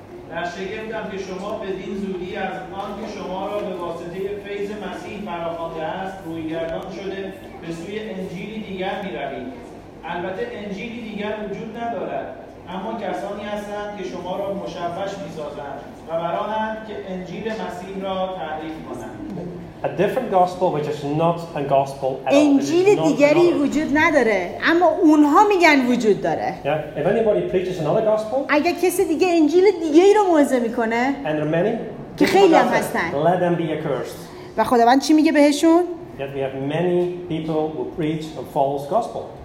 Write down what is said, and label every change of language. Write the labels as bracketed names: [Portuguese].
[Persian] در شگفتم که شما بدین زودی از آن که شما را به واسطه فیض مسیح فراخوانده است رویگردان شده به سوی انجیلی دیگر می‌روید. البته انجیلی دیگر وجود ندارد. اما کسانی هستند که شما را مشوش می‌سازند و برانند که انجیل مسیح را تعریف کنند. [English] A different gospel which is not a gospel at all. [Persian] انجیل دیگری وجود نداره اما اونها میگن وجود داره. [English] Yeah. If anybody preaches another gospel, [Persian] اگه کسی دیگه انجیل دیگه ای رو موعظه میکنه [English] and there are many, [Persian] که خیلی هم هستن. [English] Let them be accursed. [Persian] و خداوند چی میگه بهشون؟ [English] Yet we have many people who preach a false gospel.